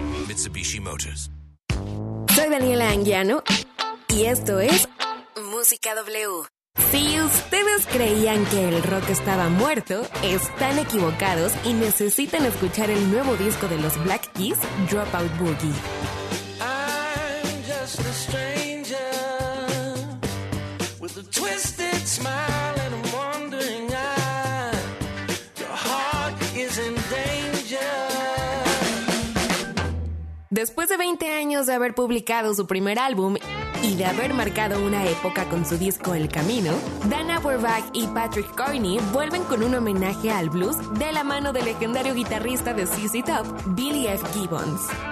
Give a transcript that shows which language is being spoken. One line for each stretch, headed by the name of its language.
English: Mitsubishi Motors.
Spanish: Soy Daniela Anguiano y esto es Música W. Si ustedes creían que el rock estaba muerto, están equivocados y necesitan escuchar el nuevo disco de los Black Keys, Dropout Boogie.
English: I'm just a stranger with a twisted smile and a wandering eye. Your heart is in danger.
Spanish: Después de 20 años de haber publicado su primer álbum y de haber marcado una época con su disco El Camino, Dan Auerbach y Patrick Carney vuelven con un homenaje al blues de la mano del legendario guitarrista de ZZ Top, Billy F. Gibbons.